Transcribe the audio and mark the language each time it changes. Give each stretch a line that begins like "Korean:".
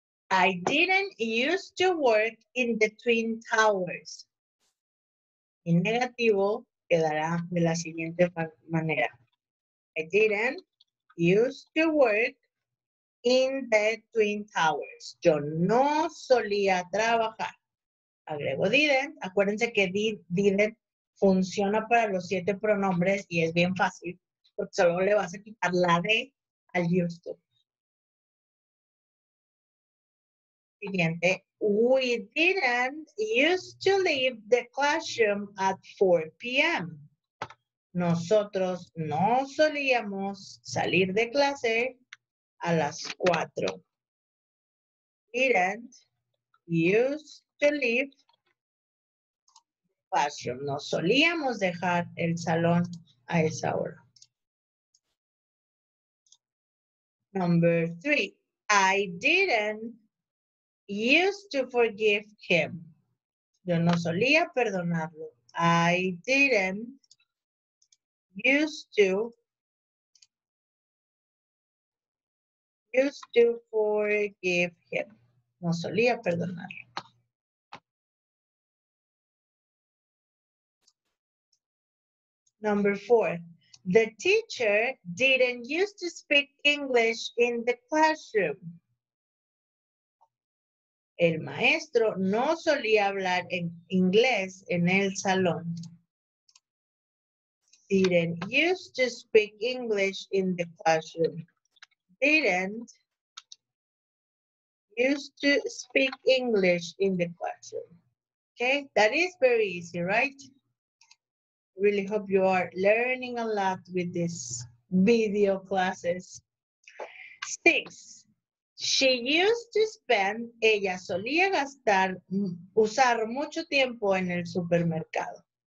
English: I didn't used to work in the Twin Towers.
Spanish: En negativo quedará de la siguiente manera.
English: I didn't used to work in the Twin Towers.
Spanish: Yo no solía trabajar. Agrego didn't. Acuérdense que didn't funciona para los siete pronombres y es bien fácil porque solo le vas a quitar la D al used to. Siguiente.
English: We didn't used to leave the classroom at 4 p.m.
Spanish: Nosotros no solíamos salir de clase a las 4.
English: Didn't used to leave classroom.
Spanish: No solíamos dejar el salón a esa hora.
English: Number 3. I didn't used to forgive him.
Spanish: Yo no solía perdonarlo.
English: I didn't used to forgive him.
Spanish: No solía perdonarlo.
English: Number 4. The teacher didn't used to speak English in the classroom.
Spanish: El maestro no solía hablar en inglés en el salón.
English: Didn't used to speak English in the classroom. Didn't used to speak English in the classroom. Okay, that is very easy, right? Really hope you are learning a lot with this video classes. 6. She used to spend,
Spanish: ella solía gastar, usar mucho tiempo en el supermercado.